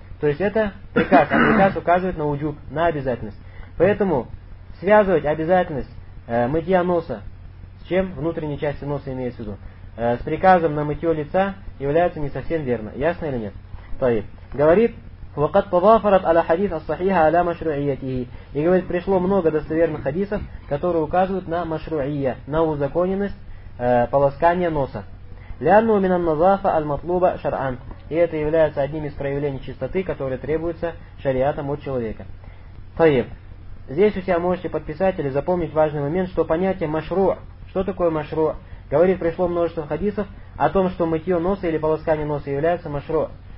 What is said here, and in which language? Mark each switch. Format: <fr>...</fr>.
<ru>То есть это приказ, а приказ указывает на уджуб, на обязательность. Поэтому связывать обязательность мытья носа с чем? Внутренней части носа имеется в виду. С приказом на мытье лица является не совсем верно. Ясно или нет? Тайб.</ru> <ar>Говорит, وقد تضافرت على حديث الصحيح على مشروعيته.</ar> <ru>И говорит, пришло много достоверных хадисов, которые указывают на مشروعية, на узаконенность полоскания носа.</ru> <ar>لأنه من النظافة المطلوبة شرعا.</ar> <ru>И это является одним из проявлений чистоты, которые требуются шариатом от человека. Тайб. Здесь у себя можете подписать или запомнить важный момент, что понятие مشروع. Что такое مشروع? Говорит, пришло множество хадисов о том, что мытье носа или полоскание носа является мошро.</ru>